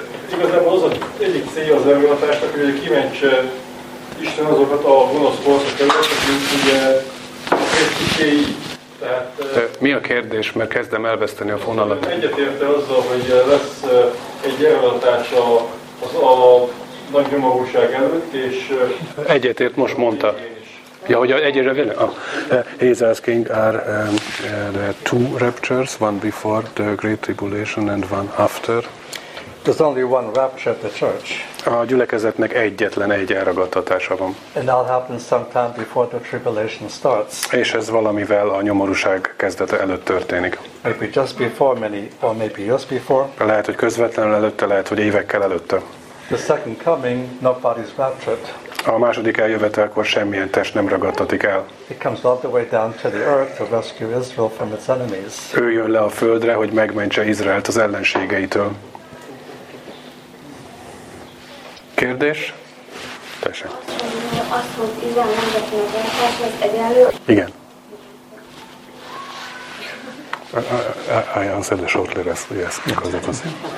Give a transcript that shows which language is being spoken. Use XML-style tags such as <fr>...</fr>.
<hu>Igazából az egyik célja az elragadtatásnak, hogy kimentse Isten azokat a gonosz korszakokat, akik ugye a két kicsi. Tehát, mi a kérdés, mert kezdem elveszteni a fonalat. Egyetérte azzal, hogy lesz egy jelöltás a nagy nyomorúság előtt, és... Egyetért, most mondta. Ja, hogy egyre vele?</hu> <en>He's asking, are there two raptures, one before the Great Tribulation and one after? There's only one rapture at the church.</en> <hu>A gyülekezetnek egyetlen egy elragadtatása van.</hu> <en>And that happens sometime before the tribulation starts.</en> <hu>És ez valamivel a nyomorúság kezdete előtt történik.</hu> <en>Maybe just before, many, or maybe just before.</en> <hu>Lehet, hogy közvetlenül előtte, lehet, hogy évekkel előtte.</hu> <en>The second coming, nobody's raptured.</en> <hu>A második eljövetelkor semmilyen test nem ragadtatik el.</hu> <en>It comes all the way down to the earth to rescue Israel from its enemies.</en> <hu>Ő jön le a földre, hogy megmentse Izraelt az ellenségeitől. Kérdés? Tessék. Azt mondja, Izrael nemzetének az egyenlő. Igen.</hu> <en>I answered shortly, yes, because it was it.</en>